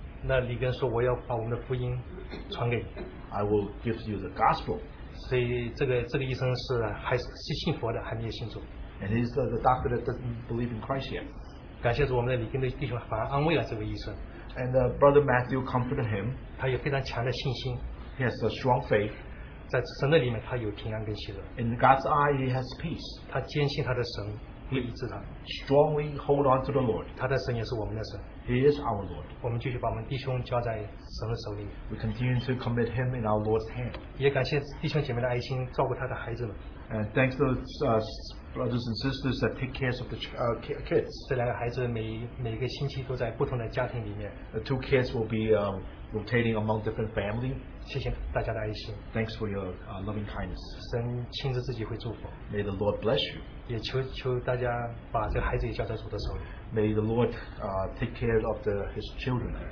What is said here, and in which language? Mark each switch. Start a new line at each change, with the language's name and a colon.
Chinese: 那李根说我要把我们的福音传给你。
English: I will give you the gospel.
Chinese: 所以这个医生是信佛的，还没有信主。
English: And he's the doctor that doesn't believe in Christ yet.
Chinese: 感谢主，我们的李根弟兄反而安慰了这位医生。
English: And the brother Matthew comforted him.
Chinese: 他有非常强的信心。
English: He has a strong faith.
Chinese: 在神的里面，他有平安跟喜乐。
English: In God's eye, he has peace.
Chinese: 他坚信他的神会医治他。
English: Strongly hold on to the Lord.
Chinese: 他的神也是我们的神。
English: He is our Lord.
Chinese: 我们继续把我们弟兄交在神的手里面。
English: We continue to commit him in our Lord's hand.
Chinese: 也感谢弟兄姐妹的爱心，照顾他的孩子们。
English: And thanks to brothers and sisters that take care of the kids.
Chinese: 这两个孩子每个星期都在不同的家庭里面。
English: The two kids will be rotating among different families.
Chinese: 谢谢大家的爱心。
English: Thanks for your loving kindness.
Chinese: 神亲自自己会祝福。
English: May the Lord bless you.
Chinese: 也求大家把这孩子也交在主的手里。
English: May the Lord take care of his children.